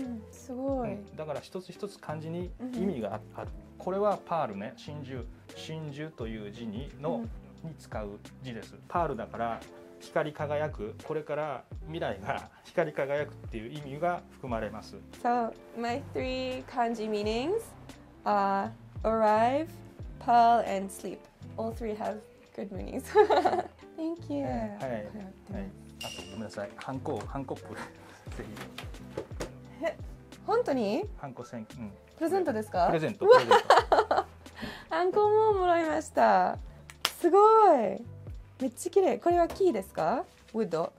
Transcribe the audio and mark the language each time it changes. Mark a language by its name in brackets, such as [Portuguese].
[Japanese] すごい。だから一つ一つ漢字に意味がある。これはパールね、真珠、真珠という字にのに使う字です。パールだから光り輝く、これから未来が光り輝くっていう意味が含まれます。 [English] So my three kanji meanings are arrive, pearl and sleep. All three have good meanings. Thank you. [Japanese] はい、はい、あ、ごめんなさい、ハンコップぜひ。本当にハンコ先、プレゼントですか？プレゼント。ハンコももらいました。すごい、めっちゃ綺麗。これは木ですか？ウッド。